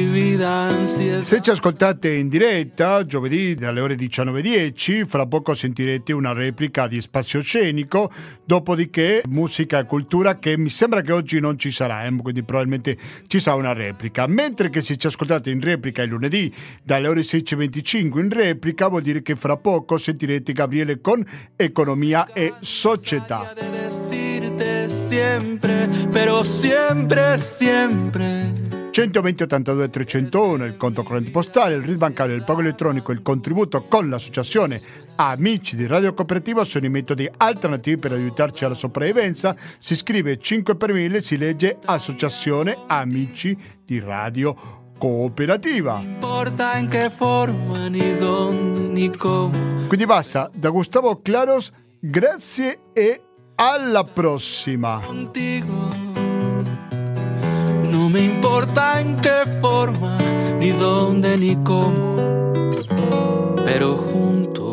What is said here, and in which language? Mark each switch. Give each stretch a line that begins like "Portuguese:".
Italian: Se ci ascoltate in diretta, giovedì dalle ore 19:10, fra poco sentirete una replica di Spazio Scenico, dopodiché musica e cultura, che mi sembra che oggi non ci sarà, quindi probabilmente ci sarà una replica. Mentre che se ci ascoltate in replica il lunedì dalle ore 16:25 in replica, vuol dire che fra poco sentirete Gabriele con Economia e Società.
Spanish: Siempre, pero siempre, siempre.
Italian: 120 82 301, il conto corrente postale, il RID bancario, il pago elettronico, il contributo con l'associazione Amici di Radio Cooperativa sono i metodi alternativi per aiutarci alla sopravvivenza. Si scrive 5 per 1000, si legge Associazione Amici di Radio Cooperativa. Non importa in che forma, ni dove, ni come. Quindi basta, da Gustavo Claros, grazie e alla prossima.
Spanish: Contigo. No me importa en qué forma, ni dónde, ni cómo, pero juntos.